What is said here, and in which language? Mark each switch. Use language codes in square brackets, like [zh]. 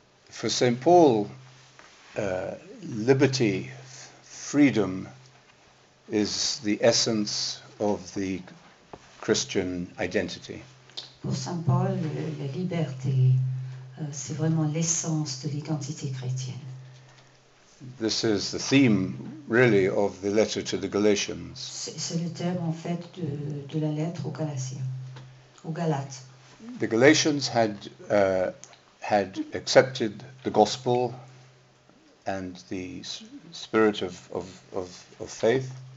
[en] For Saint Paul, liberty, freedom, is the essence of the Christian identity. [fr] Pour Saint Paul, la liberté, c'est vraiment l'essence de l'identité chrétienne. [en] This is the theme, really, of the letter to the Galatians. [fr] C'est le thème, en fait, de la lettre aux Galatiens, aux Galates. [en] The Galatians had had accepted the gospel and the spirit of faith.